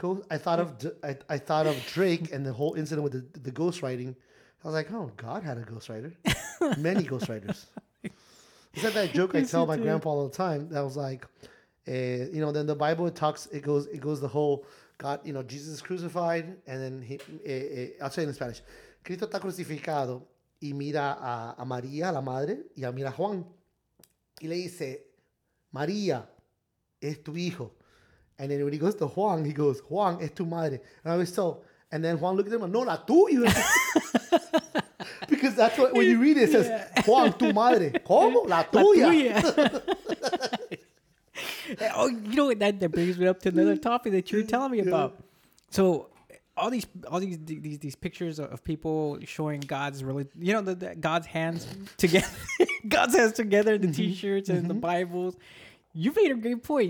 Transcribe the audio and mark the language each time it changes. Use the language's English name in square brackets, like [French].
[English] I thought of Drake and the whole incident with the ghostwriting. I was like, oh, God had a ghostwriter. Many ghostwriters. Is that joke I tell my grandpa all the time? That was like, you know, then the Bible it goes the whole God, you know, Jesus is crucified, and then I'll say it in Spanish. [Spanish] Cristo está crucificado y mira a María, la madre, y a mira a Juan, y le dice, María, es tu hijo. [English] And then when he goes to Juan, he goes, [Spanish] Juan, es tu madre. [English] And I was so, and then Juan looked at him and [Spanish] no, la tuya. [English] Because that's what, when you read it, it says, [Spanish] Juan, tu madre. ¿Cómo? La tuya. La [English] tuya. Oh, you know what? That brings me up to another topic that you're telling me about. So all these pictures of people showing God's religion, you know, God's hands together, God's hands together, the t-shirts and the Bibles. You made a great point.